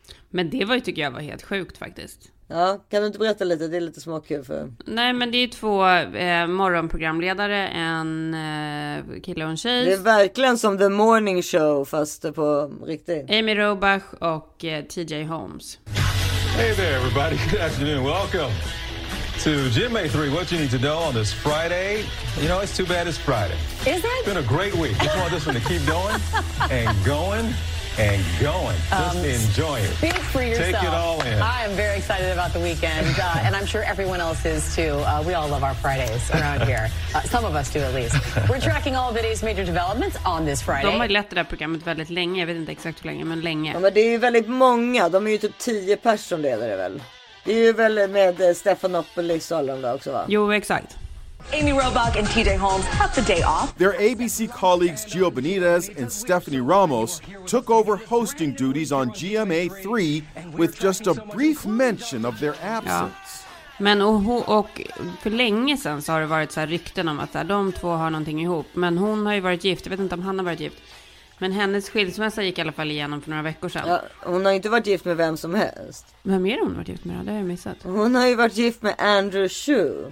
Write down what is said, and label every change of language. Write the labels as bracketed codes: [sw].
[sv] Men det var ju, tycker jag, var helt sjukt faktiskt. Ja, kan du inte berätta lite? Det är lite småkul för... Nej, men det är ju två morgonprogramledare, en kille och en tjej. Det är verkligen som The Morning Show, fast på riktigt. Amy Robach och TJ Holmes. [en] Hey there everybody, good afternoon, welcome to Gym A3, what you need to know on this Friday. You know, it's too bad it's Friday. Is it? It's been a great week. Just want this one to keep going and going. And going, just enjoy it. Speak for yourself. Take it all in. I am very excited about the weekend, and I'm sure everyone else is too. We all love our Fridays around here. Some of us do, at least. We're tracking all of the day's major developments on this Friday. [sv] De har lett det där programmet väldigt länge. Jag vet inte exakt hur länge, men länge. Ja, men det är ju väldigt många. De är ju typ 10 personer, leder det väl. Det är ju väl med Stephanopoulos och alla också, va? Jo, exakt. [en] Amy Robach and TJ Holmes have the day off. Their ABC colleagues Gio Benitez and Stephanie Ramos took over hosting duties on GMA3 with just a brief mention of their absence. [sv] Ja. Men och för länge sedan så har det varit så här rykten om att de två har någonting ihop. Men hon har ju varit gift, jag vet inte om han har varit gift. Men hennes skilsmässa gick i alla fall igenom för några veckor sedan. Ja, hon har inte varit gift med vem som helst. Vem är hon varit gift med? Det har jag missat. Hon har ju varit gift med Andrew Hsu.